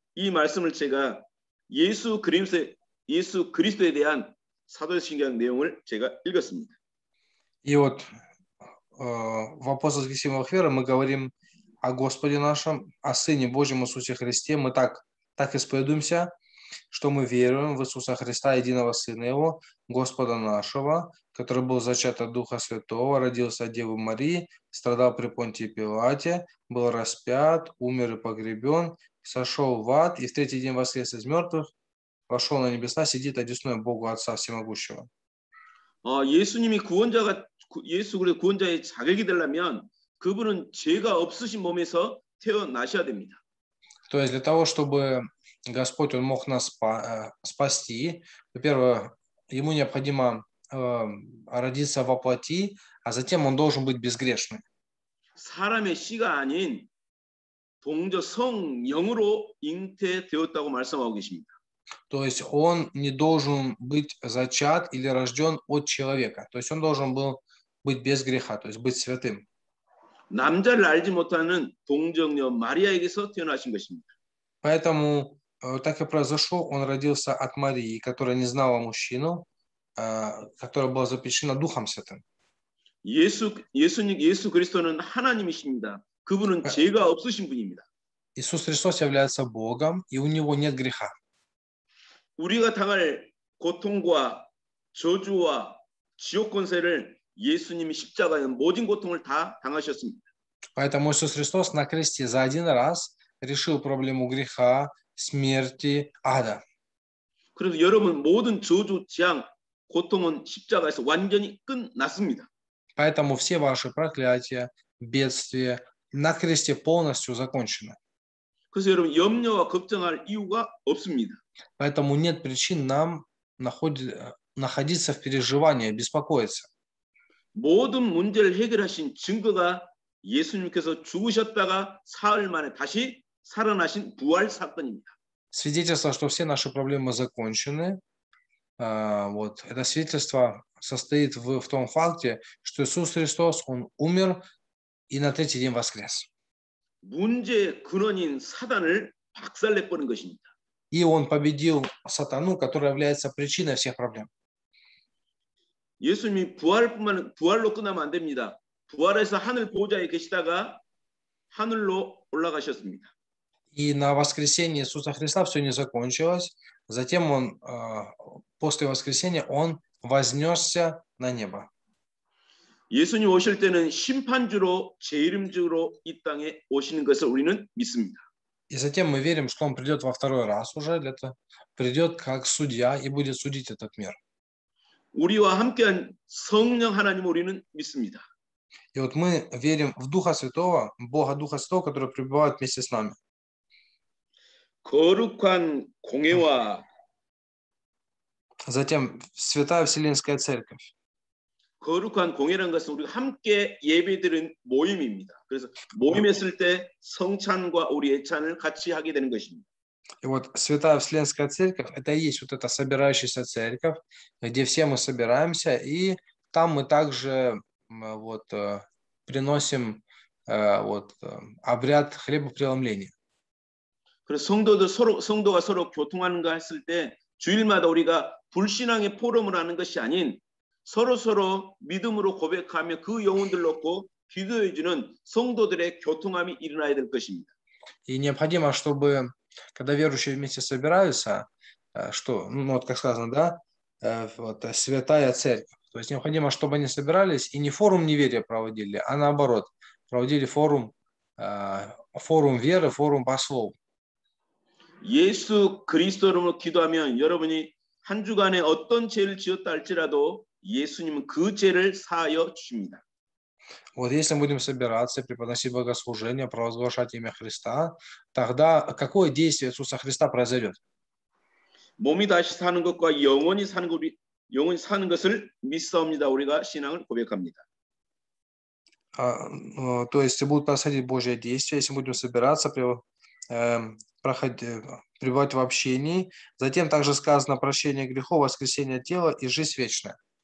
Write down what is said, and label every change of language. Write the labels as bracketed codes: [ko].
[ko] 이 말씀을 제가 예수 그리스도에 대한 사도신경 내용을 제가 읽었습니다. 이웃 [ru] в апостольских символах веры мы говорим о Господе нашем, о Сыне Божьем Иисусе Христе. Мы так исповедуемся, что мы веруем в Иисуса Христа, единого Сына Его, Господа нашего, который был зачат от Духа Святого, родился от Девы Марии, страдал при Понтии Пилате, был распят, умер и погребен, сошел в ад и в третий день воскрес из мертвых, вошел на небеса, сидит одесную Богу Отца Всемогущего. [ko] 예수님이 구원자가 예수 그리스도 구원자의 자격이 되려면 그분은 죄가 없으신 몸에서 태어나셔야 됩니다. [ru] То есть для того, чтобы Господь он мог нас спасти, во-первых, ему необходимо родиться во плоти, а затем он должен быть безгрешным. [ko] 사람의 씨가 아닌 동저 성령으로 잉태되었다고 말씀하고 계십니다. [ru] То есть он не должен быть зачат или рожден от человека. То есть он должен был быть без греха, то есть быть святым. [ko] 남자를 알지 못하는 동정녀 마리아에게서 태어나신 것입니다. [ru] Поэтому так и произошло. Он родился от Марии, которая не знала мужчину, которая была запечатлена Духом Святым. [ko] 예수 그리스도는 하나님이십니다. 그분은 죄가 없으신 분입니다. [ru] Иисус Христос является Богом, и у него нет греха. [ko] 우리가 당할 고통과 저주와 지옥 권세를 예수님이 십자가에 모든 고통을 다 당하셨습니다. [ru] Поэтому Иисус Христос на кресте за один раз решил проблему греха, смерти, ада. [ko] 그래서 여러분 모든 저주, 재앙, 고통은 십자가에서 완전히 끝났습니다. [ru] Поэтому все ваши проклятия, бедствия на кресте полностью закончены. [ko] 그래서 여러분 염려와 걱정할 이유가 없습니다. [ru] Поэтому нет причин нам находиться в переживании, беспокоиться. [ko] 모든 문제를 해결하신 증거가 예수님께서 죽으셨다가 사흘 만에 다시 살아나신 부활 사건입니다. [ru] Свидетельство, что все наши проблемы закончены, вот это свидетельство состоит в том факте, что Иисус Христос он умер и на третий день воскрес. [ko] 문제의 근원인 사단을 박살내 버린 것입니다. [ru] И он победил сатану, который является причиной всех проблем. [ko] 예수님이 부활로 끝나면 안 됩니다. 부활해서 하늘 보좌에 계시다가 하늘로 올라가셨습니다. [ru] И на воскресении Иисуса Христа все не закончилось. Затем он после воскресения он вознесся на небо. [ko] 예수님 오실 때는 심판주로 재림주로 이 땅에 오시는 것을 우리는 믿습니다. [ru] И затем мы верим, что он придет во второй раз уже, это придет как судья и будет судить этот мир. [ko] 우리와 함께한 성령 하나님 우리는 믿습니다. [ru] И вот мы верим в Духа Святого, Бога Духа Святого, который пребывает вместе с нами. [ko] 거룩한 공회와 [ru] Затем Святая Вселенская Церковь. [ko] 거룩한 공회라는 것은 우리가 함께 예배드린 모임입니다. 그래서 모임했을 때 성찬과 우리 예찬을 같이 하게 되는 것입니다. [ru] И вот Святая Вселенская Церковь – это и есть вот эта собирающаяся церковь, где все мы собираемся, и там мы также вот, приносим вот, обряд хлебопреломления. [ko] 그래서 성도들 서로, 성도가 서로 교통하는가 했을 때 주일마다 우리가 불신앙의 포럼을 하는 것이 아닌 서로서로 믿음으로 고백하며 그 영혼들 놓고 기도해주는 성도들의 교통함이 일어나야 될 것입니다. [ru] И необходимо, чтобы когда верующие вместе собираются, что, ну вот как сказано, да, вот, святая церковь, то есть необходимо, чтобы они собирались и не форум неверия проводили, а наоборот, проводили форум, форум веры, форум по слову. [ko] 예수 그리스도 이름으로 기도하면 여러분이 한 주간에 어떤 죄를 지었다 할지라도 예수님은 그 죄를 사하여 주십니다. [ru] Вот если мы будем собираться, преподносить богослужение, провозглашать имя Христа, тогда какое действие Иисуса Христа произойдет? [ko] 몸이 다시 사는 것과 영원히 사는 것, 영원히 사는 것을 믿사옵니다. 우리가 신앙을 고백합니다. [ru] 아, 어, то есть будут происходить Божьи действия, если мы будем собираться, проходить, пребывать в общении. Затем также сказано прощение грехов, воскресение тела и жизнь вечная.